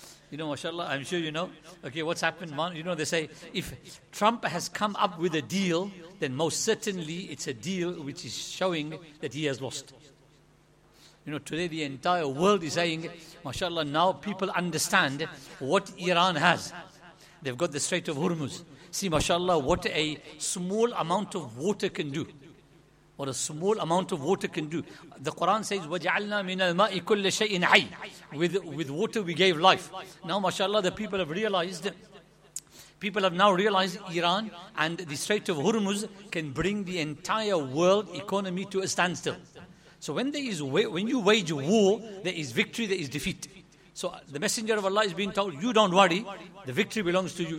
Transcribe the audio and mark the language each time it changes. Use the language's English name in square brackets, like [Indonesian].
[English] You know, mashallah, I'm sure you know. Okay, what's happened? You know, they say, if Trump has come up with a deal, then most certainly it's a deal which is showing that he has lost. You know, today the entire world is saying, mashallah, now people understand what Iran has. They've got the Strait of Hormuz. See, mashallah, what a small amount of water can do. What a small amount of water can do. The Quran says, [Arabic] وَجَعَلْنَا مِنَ الْمَاءِ كُلَّ شَيْءٍ حَيٍّ. [English] With water we gave life. Now, mashallah, the people have realized, Iran and the Strait of Hormuz can bring the entire world economy to a standstill. So when you wage war, there is victory, there is defeat. So the Messenger of Allah is being told, you don't worry, the victory belongs to you.